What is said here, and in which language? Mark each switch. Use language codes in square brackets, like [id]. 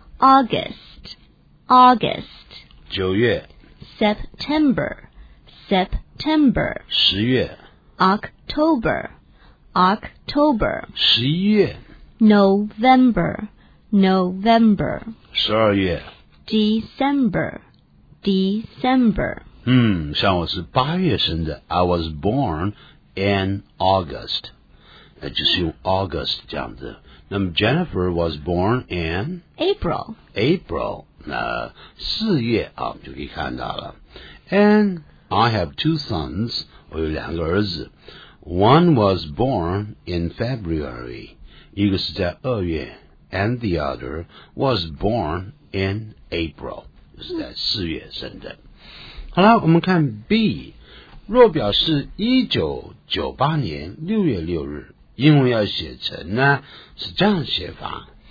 [en] ，August，August。 [zh] 九月 [en] ，September，September。 [zh] 十月 [en] ，October，October。 [zh] 十一月 [en] ，November，November。 [zh] 十二月 [en] ，December，December。 [zh] 像我是八月生的 ， [en] I was born in August。 [zh] 就是用 August 这样子。 [en] 那么 Jennifer was born in April. [zh] April， 那四月啊，就可以看到了。 [en] And I have two sons， [zh] 我有两个儿子。 [en] One was born in February， [zh] 一个是在二月。 [en] And the other was born in April， [zh] 就是在四月生的。好了，我们看 B， 若表示1998年6月6日。英文要写成呢，是这样写法